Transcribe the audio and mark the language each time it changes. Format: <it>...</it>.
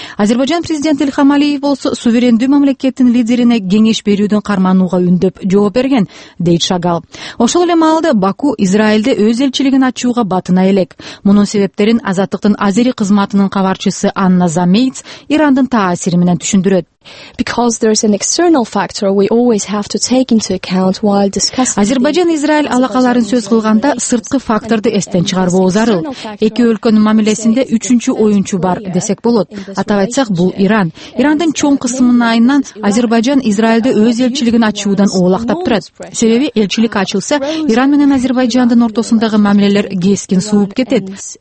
<ky>Азербайжан президенти Илхам Алиев болсо суверендүү мамлекеттин лидерине кеңеш берүүдөн карманууга үндөп жооп берген. Дейт Шагал. Ошол эле маалда Баку Израилде өз элчилигин ачууга батына элек. Мунун себептерин Азаттыктын Азери кызматынын кабарчысы Анна Замейц Ирандын таасири менен түшүндүрөт.</ky> <en>Because there is an external factor we always have to take into account while discussing.</en> <ky>Азербайжан Израиль алакаларын сөз кылганда сырткы факторду эстен чыгарбоо зарыл. Эки өлкөнүн мамилесинде үчүнчү оюнчу бар десек болот. Атап айтсак, бул Иран. Ирандын чоң кысымынын айынан Азербайжан Израилде өз элчилигин ачуудан оолактап турат. Себеби элчилик ачылса, Иран менен Азербайжандын ортосундагы мамилелер кескин сууп кетет.</ky>